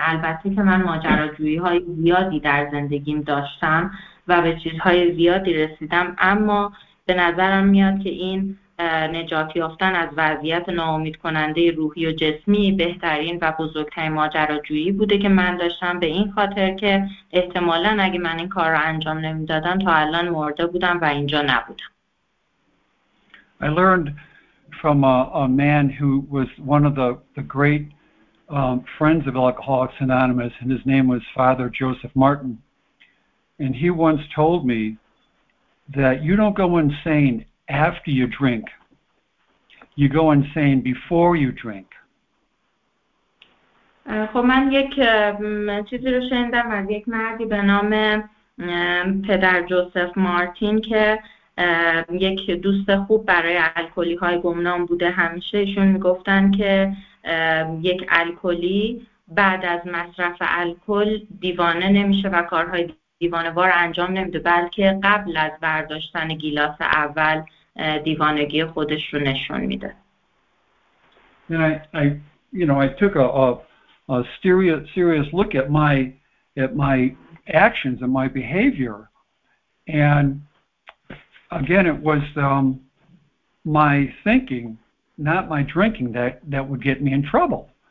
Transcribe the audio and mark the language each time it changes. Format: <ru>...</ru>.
<fa>البته که من ماجراجویی های زیادی در زندگیم داشتم و به چیزهای زیادی رسیدم، اما به نظرم میاد که این نجات یافتن از وضعیت ناامید کننده روحی و جسمی بهترین و بزرگترین ماجراجویی بوده که من داشتم، به این خاطر که احتمالاً اگه من این کار را انجام نمیدادم تا الان مرده بودم و اینجا نبودم.</fa> <en>I learned from a man who was one of the great friends of Alcoholics Anonymous, and his name was Father Joseph Martin. And he once told me that you don't go insane after you drink, you go insane before you drink.</en> <fa>خب من یک چیزی رو شنیدم از یک مردی به نام پدر جوزف مارتین که یک دوست خوب برای الکلی های گمنام بوده. همیشه ایشون میگفتن که یک الکلی بعد از مصرف الکل دیوانه نمیشه و کارهای دیوانه وار انجام نمیده، بلکه قبل از برداشتن گیلاس اول دیوانگی خودش رو نشون میده.</fa> <en>I took a serious look at my actions and my behavior, and again it was my thinking, not my drinking, that would get me in trouble.</en>